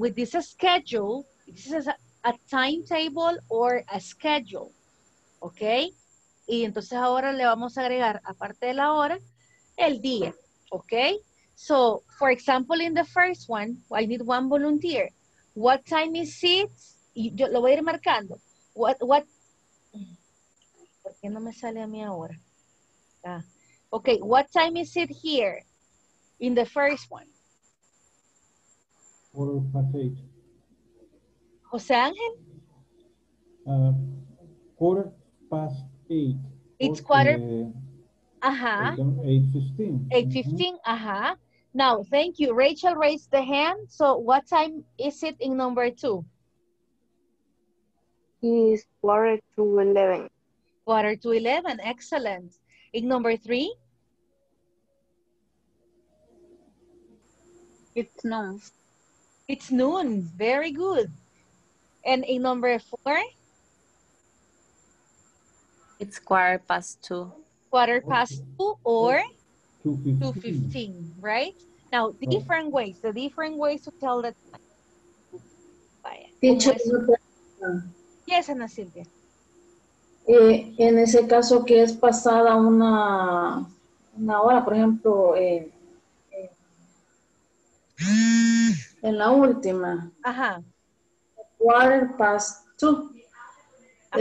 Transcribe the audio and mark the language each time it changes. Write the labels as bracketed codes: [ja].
[en] With this schedule, this is a timetable or a schedule, okay? [es] Y entonces ahora le vamos a agregar, aparte de la hora, el día, okay? [en] So, for example, in the first one, I need one volunteer. What time is it? [es] Y yo lo voy a ir marcando. [en] What? [es] ¿Por qué no me sale a mí ahora? Ah. [en] Okay, what time is it here in the first one? 8:15. Jose Angel? 8:15. It's quarter. Uh-huh. 8:15. 8:15, uh-huh. Now, thank you. Rachel raised the hand. So, what time is it in number 2? It's 10:45. 10:45, excellent. In number 3? It's noon. It's noon. Very good. And in number 4? It's 2:15. quarter past two or 2:15, right? Now, different ways, the different ways to tell the time. Yes, Ana Silvia. [es] En ese caso que es pasada una hora, por ejemplo, en la última. Ajá. [en] Quarter past two. Ajá.